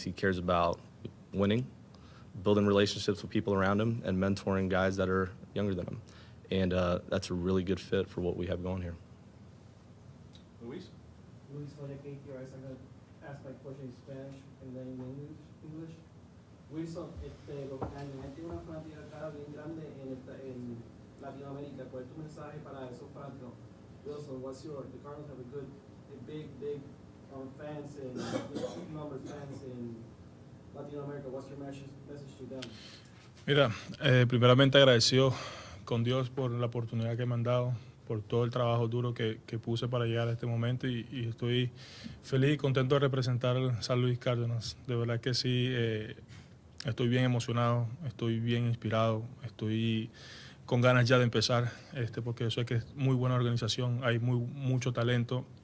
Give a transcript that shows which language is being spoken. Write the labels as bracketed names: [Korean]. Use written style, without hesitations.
[English] He cares about winning, building relationships with people around him, and mentoring guys that are younger than him. And that's a really good fit for what we have going here. Luis? Luis, I'm going to ask my question in Spanish and then in English. [Spanish] Wilson, lo que hay una fanática cada bien grande en Latinoamérica. ¿Cuál es tu mensaje para esos fanáticos? Wilson, [English] what's your? The Cardinals have a big fans and big number of fans in Latinoamérica. What's your message to them? [Spanish] Mira, primeramente agradecido con Dios por la oportunidad que me han dado, por todo el trabajo duro que puse para llegar a este momento, y estoy feliz y contento de representar a San Luis Cárdenas. De verdad que sí, estoy bien emocionado, estoy bien inspirado, estoy con ganas ya de empezar, porque eso es que es muy buena organización, hay mucho talento.